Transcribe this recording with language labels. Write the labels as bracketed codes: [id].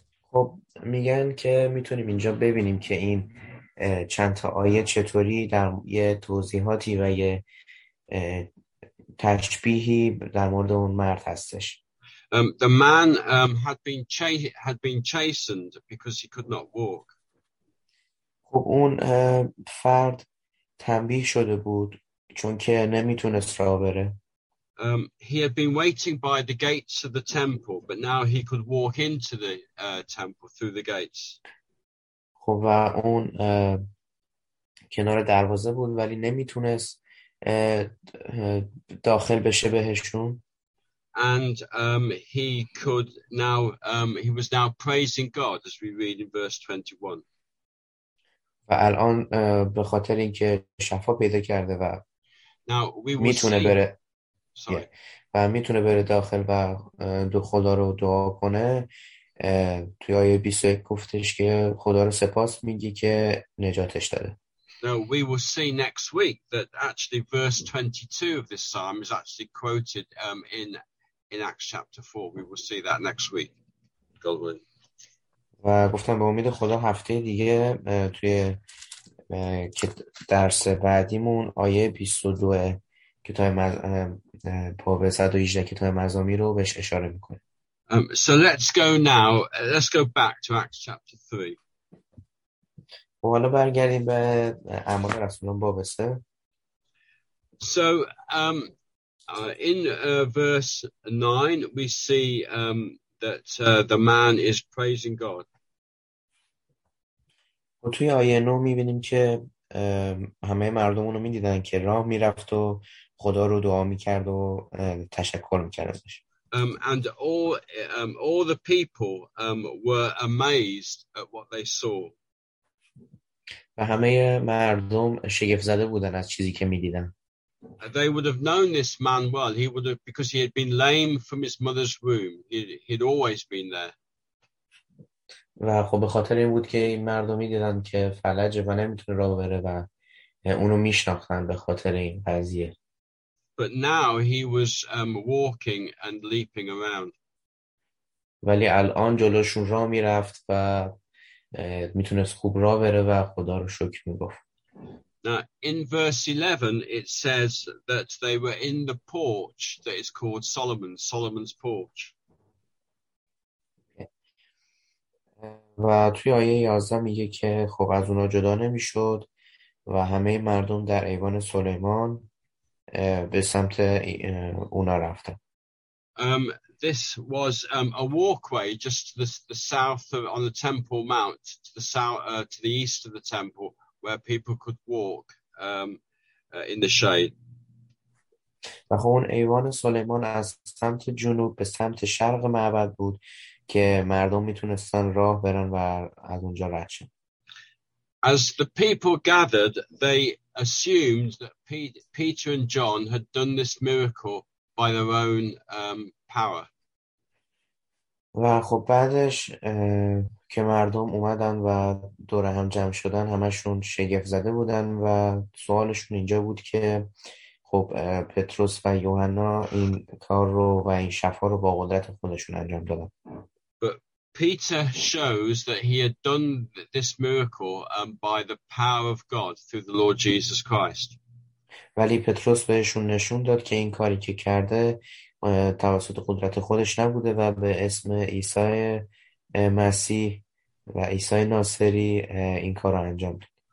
[fa] خب میگن که میتونیم اینجا ببینیم که این چند تا آیه چطوری در یه توضیحاتی و یه تشبیهی در مورد اون مرد هستش. [en] The man had been chastened because he could not walk. [fa] خب اون فرد تنبیه شده بود چون که نمیتونست راه بره. [en] He had been waiting by the gates of the temple, but now he could walk into the temple through the gates. [fa] خب و اون کنار دروازه بود ولی نمیتونست داخل بشه بهشون. [en] And he could now he was now praising God as we read in verse 21. [fa] و الان به خاطر اینکه شفا پیدا کرده و میتونه بره و میتونه بره داخل و دو خدا رو دعا کنه. توی آیه 21 گفتش که خدا رو سپاس میگی که نجاتش داده. [en] Now we will see next week that actually verse 22 of this psalm is actually quoted in Acts chapter 4. We will see that next week. God willing. [fa] و گفتم به امید خدا هفته دیگه توی درس بعدیمون آیه 22 کتاب باب 118 کتاب مزامیر رو بهش اشاره میکنه. [en] So let's go now, let's go back to Acts chapter 3. [fa] حالا برگردیم به اعمال رسولان باب 3. [en] So in verse 9 we see that the man is praising God. [fa] و توی آیه 9 می‌بینیم که همه مردمون رو می‌دیدن که راه می‌رفت و خدا رو دعا می‌کرد و تشکر می‌کرد ازش. [en] And all the people were amazed at what they saw. [fa] و همه مردم شگفت‌زده بودن از چیزی که می‌دیدن. [en] They would have known this man well. He would have, because he had been lame from his mother's womb. He'd always been there. [fa] و خب به خاطر این بود که این مردمی دیدن که فلج و نمیتونه راه بره و اونو میشناختن به خاطر این قضیه. [en] But now he was walking and leaping around. [fa] ولی الان جلوشون راه میرفت و میتونست خوب راه بره و خدا رو شکر میگفت. [en] Now in verse 11 it says that they were in the porch that is called Solomon's porch. [fa] و توی آیه 11 میگه که خب از اونا جدا نمیشد و همه مردم در ایوان سلیمان به سمت اونا رفتن. [en] This was a walkway just to the south of, on the Temple Mount to the south to the east of the temple where people could walk in the shade. [fa] و خب اون ایوان سلیمان از سمت جنوب به سمت شرق معبد بود که مردم میتونستن راه برن و از اونجا رد شن. [en] As the people gathered, they assumed that Peter and John had done this miracle by their own power. [fa] و خب بعدش که مردم اومدن و دور هم جمع شدن همشون شگفت زده بودن و سوالشون اینجا بود که خب پتروس و یوحنا این کار رو و این شفا رو با قدرت خودشون انجام دادن. [en] Peter shows that he had done this miracle by the power of God through the Lord Jesus Christ. [fa] ولی پتروس بهشون نشون داد که این کاری که کرده توسط قدرت خودش نبوده و به اسم عیسی مسیح و عیسی ناصری این کار را انجام داد.